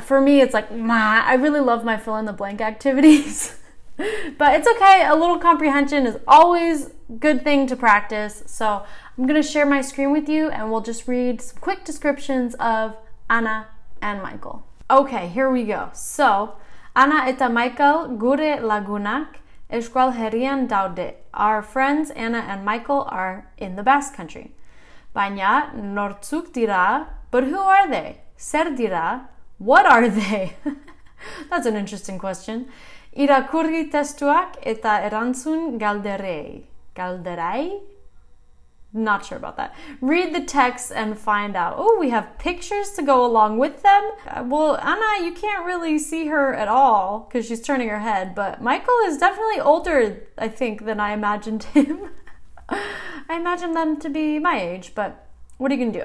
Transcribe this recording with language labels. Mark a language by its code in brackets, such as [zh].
[en] For me, it's like, meh. I really love my fill in the blank activities. But it's okay, a little comprehension is always a good thing to practice. So I'm gonna share my screen with you and we'll just read some quick descriptions of Anna and Michael. Okay, here we go. [eu] So, Anna eta Michael gure lagunak euskal herrian daude. [en] Our friends Anna and Michael are in the Basque country. [eu] Baina nortzuk dira, [en] but who are they? [eu] Zer dira, [en] what are they? That's an interesting question. [eu] Irakurri testuak eta erantzun galderei. [en] Galderai? Not sure about that. Read the text and find out. Oh, we have pictures to go along with them. Well, Anna, you can't really see her at all because she's turning her head, but Michael is definitely older, I think, than I imagined him. I imagine them to be my age, but what are you going to do?